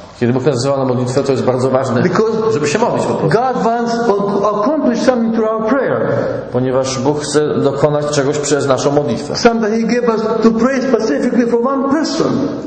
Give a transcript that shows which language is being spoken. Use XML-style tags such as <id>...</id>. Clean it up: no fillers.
<pl>Kiedy Bóg nas wzywa na modlitwę, to jest bardzo ważne,</pl> <en>because</en> <pl>żeby się modlić po prostu.</pl> <en>God wants to accomplish something through our prayer.</en> <pl>Ponieważ Bóg chce dokonać czegoś przez naszą modlitwę.</pl> <en>Sometimes He gave us to pray specifically for one person.</en>